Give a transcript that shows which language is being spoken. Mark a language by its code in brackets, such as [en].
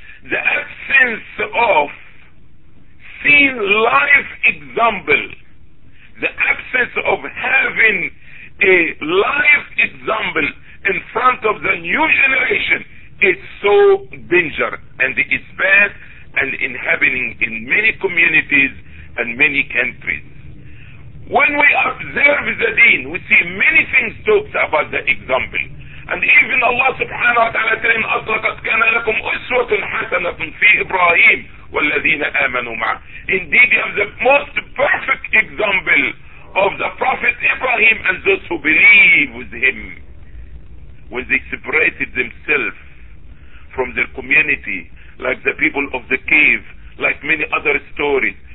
[en] The absence of seeing life example, the absence of having a life example in front of the new generation is so dangerous, and it's bad and inhabiting in many communities and many countries. When we observe the deen, we see many things talks about the example. And even Allah subhanahu wa ta'ala telling us, [ar] لَقَدْ كَانَ لَكُمْ أُسْوَةٌ حَسَنَةٌ فِي إِبْرَاهِيمِ وَالَّذِينَ آمَنُوا مَعَهِ. [en] Indeed, you have the most perfect example of the Prophet Ibrahim and those who believe with him. When they separated themselves from their community, like the people of the cave, like many other stories.